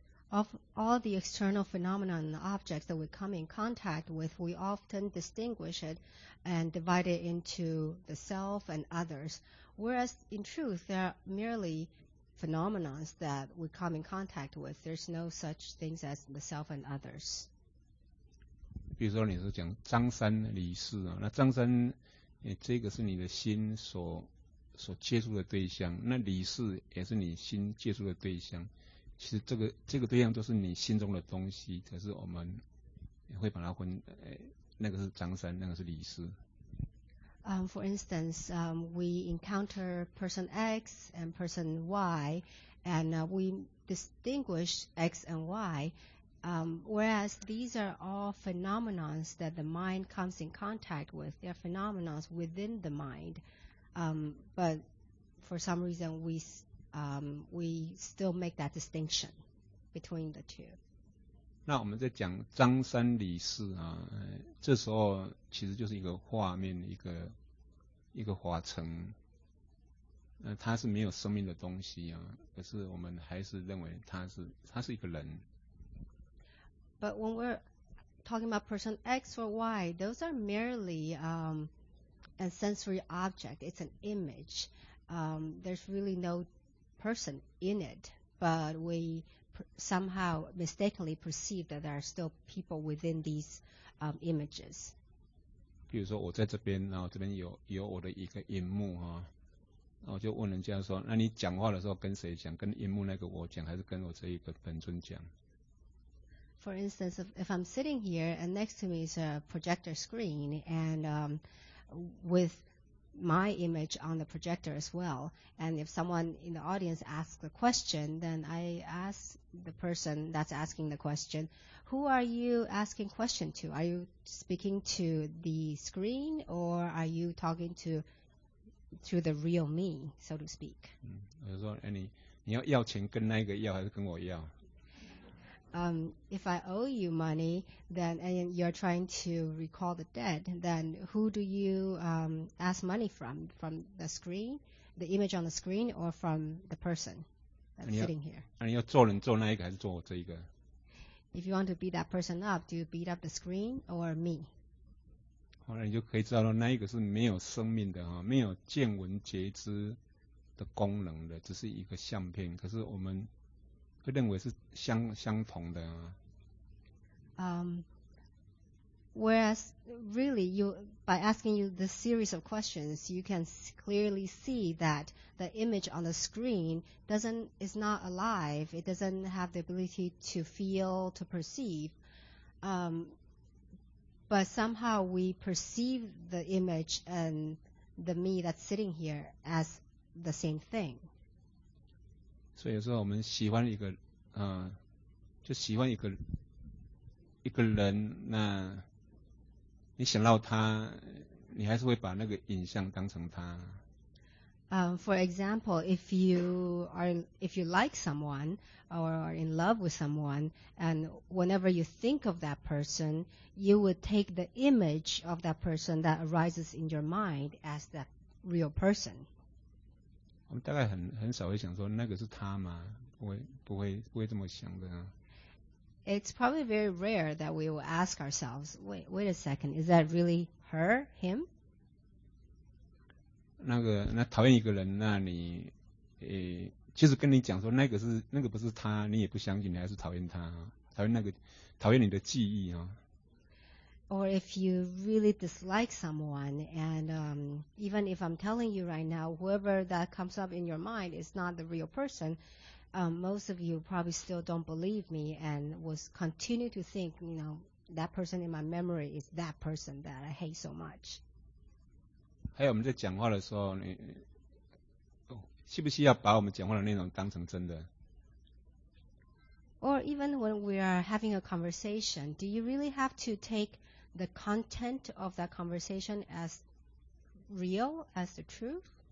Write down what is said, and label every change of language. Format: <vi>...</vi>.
<en>Of all the external phenomena and objects that we come in contact with we often distinguish it and divide it into the self and others whereas in truth they are merely phenomena that we come in contact with there's no such things as the self and others</en> <zh>be 如说你是讲张三李四、啊、那张三这个是你的心所接触的对象，那理事也是你心接触的对象，其实这个对象就是你心中的东西，可是我们会把它分，那个是张三，那个是理事。</zh> <en>For instance, we encounter person X and person Y, and we distinguish X and Y. Whereas these are all phenomena that the mind comes in contact with, they are phenomena within the mind. But for some reason, we still make that distinction between the two.</en> <zh>那我们在讲张三李四啊，这时候其实就是一个画面，一个法尘，它是没有生命的东西啊，可是我们还是认为它是一个人。</zh> <en>But when we're talking about person X or Y, those are merely a sensory object. It's an image. There's really no person in it. But we somehow mistakenly perceive that there are still people within these images.</en> <zh>比如说我在这边，然后这边有我的一个荧幕哈，我就问人家说，那你讲话的时候跟谁讲？跟荧幕那个我讲，还是跟我这一个本尊讲？</zh> <en>For instance, if I'm sitting here and next to me is a projector screen and with my image on the projector as well, and if someone in the audience asks a question, then I ask the person that's asking the question, who are you asking question to? Are you speaking to the screen or are you talking to the real me, so to speak?</en> <zh>我说，哎，你要要钱跟那个要还是跟我要？</zh> <en>If I owe you money, then and you're trying to recall the debt, then who do you ask money from? From the screen, the image on the screen, or from the person that's sitting here?</en> <zh>那你要做人做那一个，还是做我这一个？</zh> <en>If you want to beat that person up, do you beat up the screen or me?</en> <zh>后来你就可以知道了，那一个是没有生命的哈，没有见闻觉知的功能的，只是一个相片。可是我们会认为是相同的啊。</zh> <en>Whereas really, you by asking you this series of questions, you can clearly see that the image on the screen is not alive. It doesn't have the ability to feel, to perceive. But somehow we perceive the image and the me that's sitting here as the same thing.</en> <zh>所以说我们喜欢一个就喜欢一个人，那你想到他，你还是会把那个影像当成他。</zh> <en>For example, if you like someone or are in love with someone, and whenever you think of that person, you would take the image of that person that arises in your mind as that real person.</en> <zh>我们大概很少会想说那个是他吗？不会这么想的啊。</zh> <en>It's probably very rare that we will ask ourselves, wait a second, is that really her, him?</en> <zh>那讨厌一个人，那你，其实跟你讲说那个不是他，你也不相信，你还是讨厌他，讨厌那个，讨厌你的记忆啊。</zh> <en>Or if you really dislike someone, and even if I'm telling you right now, whoever that comes up in your mind is not the real person, most of you probably still don't believe me and will continue to think, you know, that person in my memory is that person that I hate so much.</en> <zh>还有我们在讲话的时候，你需不需要把我们讲话的内容当成真的？</zh> <en>Or even when we are having a conversation, do you really have to take the content of that conversation as real, as the truth?</en>